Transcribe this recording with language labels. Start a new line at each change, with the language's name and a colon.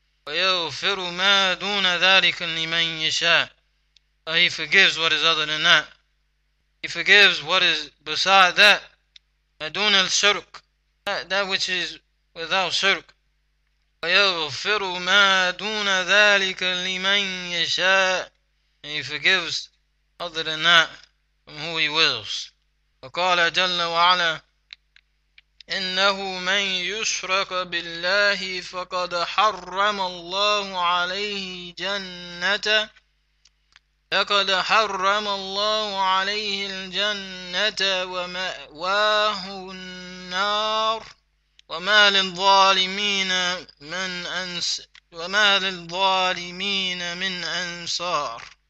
Arabic: ويغفر ما دون ذلك لمن يشاء.
English: He forgives what is other than that. He forgives what is beside that.
Arabic: دون الشرك.
English: That which is without shirk.
Arabic: ويغفر ما دون ذلك لمن يشاء.
English: He forgives other than that from who he wills.
Arabic: وقال جل وعلا إنه من يشرك بالله فقد حرم الله عليه جنة فقد حرم الله عليه الجنة ومأواه النار وما للظالمين من أنصار.